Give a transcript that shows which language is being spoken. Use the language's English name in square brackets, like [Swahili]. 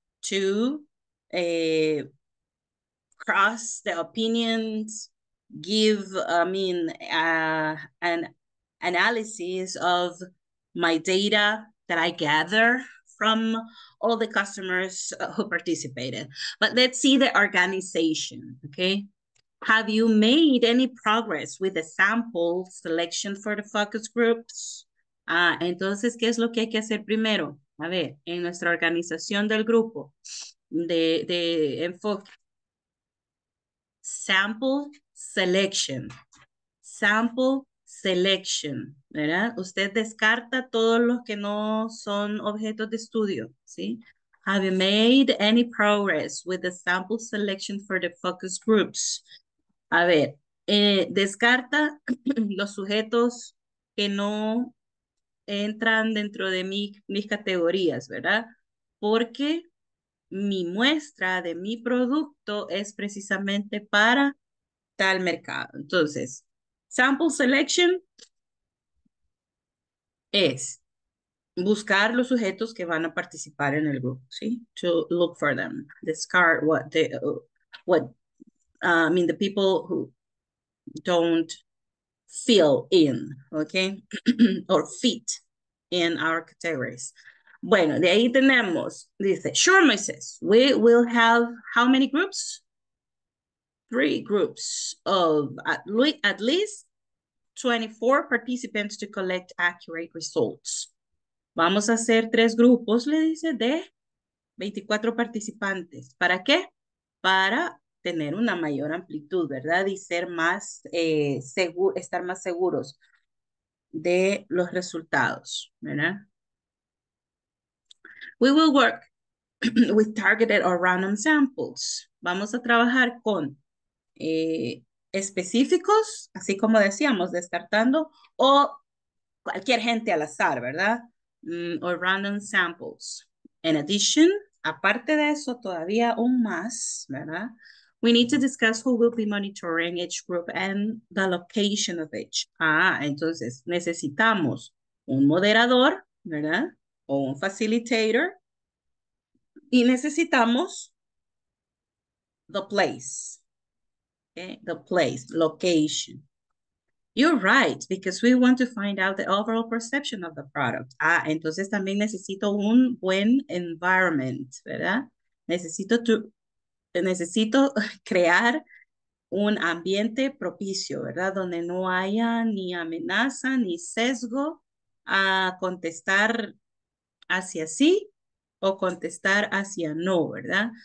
[English] To cross the opinions, give an analysis of my data that I gather from all the customers who participated. But let's see the organization, okay? Have you made any progress with the sample selection for the focus groups? [Spanish] Ah, entonces, ¿qué es lo que hay que hacer primero? A ver, en nuestra organización del grupo de enfoque. [English] Sample selection. Sample selection, ¿verdad? [Spanish] Usted descarta todos los que no son objetos de estudio, ¿sí? [English] Have you made any progress with the sample selection for the focus groups? [Spanish] A ver, descarta los sujetos que no entran dentro de mis categorías, ¿verdad? Porque mi muestra de mi producto es precisamente para tal mercado. Entonces, sample selection es buscar los sujetos que van a participar en el grupo, ¿sí? [English] To look for them. Discard the people who don't fill in, okay? Or fit in our categories. [Spanish] Bueno, de ahí tenemos, dice, [English] sure, Moises, we will have how many groups? 3 groups of at least 24 participants to collect accurate results. [Spanish] Vamos a hacer 3 grupos, le dice, de 24 participantes. ¿Para qué? Para tener una mayor amplitud, ¿verdad? Y ser más seguro, estar más seguros de los resultados, ¿verdad? [English] We will work with targeted or random samples. [Spanish] Vamos a trabajar con específicos, así como decíamos, descartando, o cualquier gente al azar, ¿verdad? [English] Or random samples. In addition, [Spanish] aparte de eso, todavía aún más, ¿verdad? [English] We need to discuss who will be monitoring each group and the location of each. [Spanish] Ah, entonces necesitamos un moderador, ¿verdad? O un facilitator. Y necesitamos [English] the place. Okay, the place, location. You're right, because we want to find out the overall perception of the product. [Spanish] Ah, entonces también necesito un buen environment, ¿verdad? Necesito crear un ambiente propicio, ¿verdad? Donde no haya ni amenaza ni sesgo a contestar hacia sí o contestar hacia no, ¿verdad?